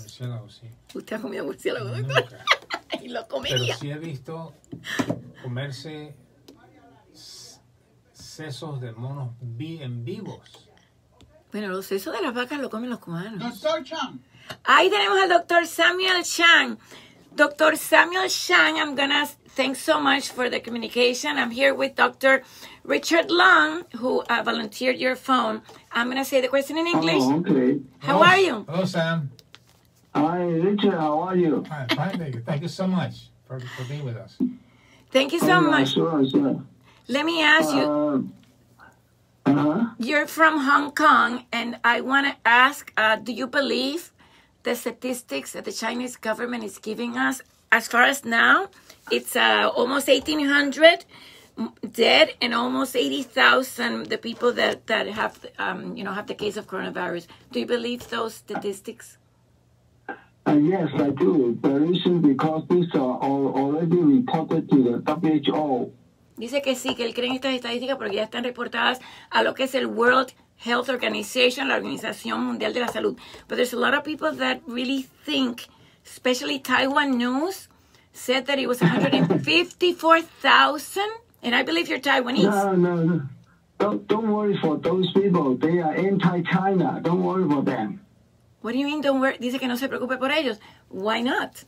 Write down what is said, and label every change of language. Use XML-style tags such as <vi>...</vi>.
<es>Murciélagos, sí. ¿Usted ha comido murciélago, doctor? Nunca. Y lo comería. Pero sí he visto comerse sesos de monos en vivos. Bueno, los sesos de las vacas lo comen los cubanos. Doctor Chan. Ahí tenemos al doctor Samuel Chan.</es> <en>Doctor Samuel Chan, I'm gonna thank so much for the communication. I'm here with Dr. Richard Long, who volunteered your phone. I'm gonna say the question in English. Hello, okay. How are you? Hello, Sam. Hi, Richard, how are you? Hi, baby. Thank you so much for being with us. Thank you so much. Sure. Let me ask you. Uh-huh. You're from Hong Kong, and I want to ask, do you believe the statistics that the Chinese government is giving us, as far as now, it's almost 1,800 dead and almost 80,000 the people that have have the case of coronavirus. Do you believe those statistics? Yes, I do. The reason because these are already reported to the WHO.</en> <es>Dice que sí, que él cree en estas estadísticas porque ya están reportadas a lo que es el World Health Organization, la Organización Mundial de la Salud.</es> <en>But there's a lot of people that really think, especially Taiwan News, said that it was 154,000, and I believe you're Taiwanese. No. Don't worry for those people. They are anti-China. Don't worry for them. What do you mean, don't worry?</en> <es>Dice que no se preocupe por ellos.</es> <en>Why not?</en>